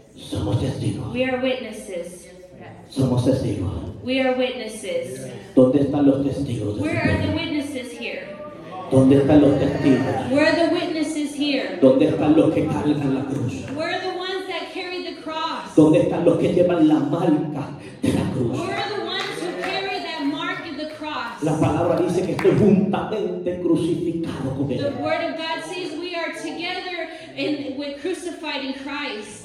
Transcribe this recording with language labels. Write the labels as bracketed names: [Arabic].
[Spanish] Somos testigos. [English] We are witnesses. [Spanish] Yes. Somos testigos. [English] We are witnesses. [Spanish] ¿Dónde están los testigos? [English] Where are the witnesses here? [Spanish] ¿Dónde están los testigos? [English] Where are the witnesses here? [Spanish] ¿Dónde están los que cargan la cruz? [English] Where are the ones that carry the cross? [Spanish] ¿Dónde están los que llevan la marca de la cruz? [English] Where are the ones who carry that mark of the cross? [Spanish] La palabra dice que estoy juntamente crucificado con él. [English] The word of God says we are together and we're crucified in Christ.